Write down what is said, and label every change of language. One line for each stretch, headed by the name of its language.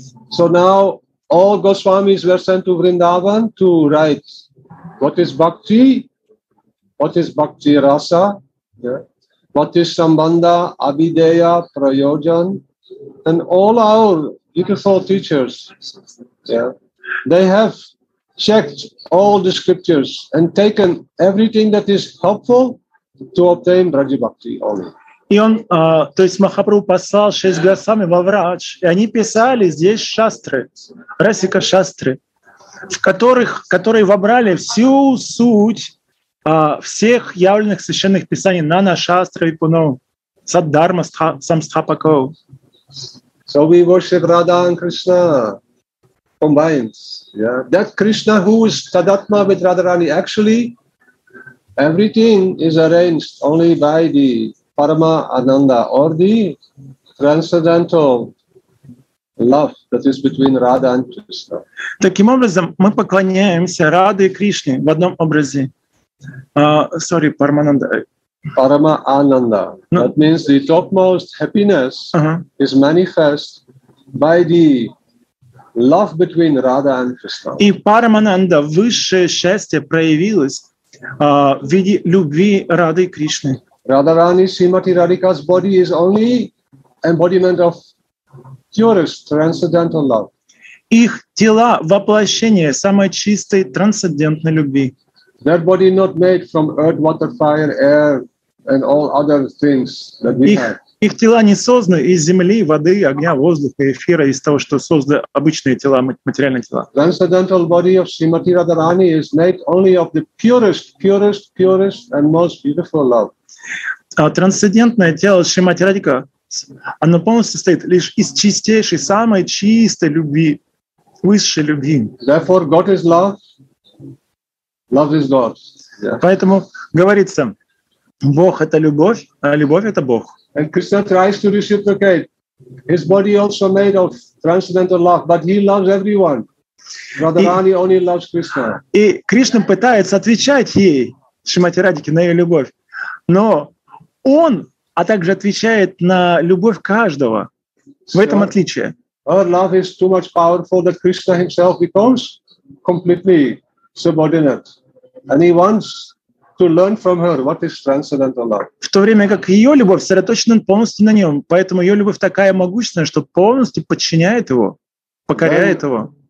English: So now all Goswamis were sent to Vrindavan to write what is bhakti rasa, yeah, what is sambandha, abideya, prayojan, and all our beautiful teachers, yeah, they have checked all the scriptures and taken everything that is helpful to obtain Braja Bhakti only.
Russian: И он, то есть Махапрабху послал шесть Госвами во Врадж, и они писали здесь шастры, расика шастры, которые вобрали всю суть всех явленных священных писаний нана шастры и пуно саддарма самстхапако.
English: So we worship Radha and Krishna combined. Yeah, that Krishna who is tadatma with Radharani, actually everything is arranged only by the Parama Ananda, or the transcendental love that is between Radha and Krishna.
Russian: Таким образом, мы поклоняемся Раде и Кришне в одном образе.
English: Sorry, Parama Ananda. Parama Ananda. No. That means the topmost happiness is manifest by the love between Radha and Krishna.
Russian: И Parama Ananda, высшее счастье проявилось в виде любви Рады и Кришны.
English: Radharani Srimati Radhika's body is only embodiment of purest transcendental love.
Russian: Их тела воплощение самой чистой трансцендентной любви.
English: That body not made from earth, water, fire, air and all other things that we have.
Russian: Их тела не созданы из земли, воды, огня, воздуха, эфира, из того, что созданы обычные тела, материальные тела.
English: Transcendental body of Srimati Radharani is made only of the purest, purest, purest and most beautiful love.
Russian: Трансцендентное тело Шримати Радхика, оно полностью состоит лишь из чистейшей, самой чистой любви. высшей любви.
English: Therefore, God is love. Love is God. Yeah.
Russian: Поэтому говорится, Бог — это любовь, а любовь — это Бог.
English: And Krishna tries to reciprocate. His body also made of transcendental love, but he loves everyone. Radharani only loves Krishna.
Russian: И Кришна пытается отвечать ей, Шримати Радике, на ее любовь, но он, а также отвечает на любовь каждого. В этом отличие.
English: Her love is too much powerful that Krishna himself becomes completely subordinate, and he wants to learn from her what is transcendental love.
Russian: В то время как ее любовь сосредоточена полностью на нем, поэтому ее любовь такая могущественная, что полностью подчиняет его, покоряет
English: then
Russian: его.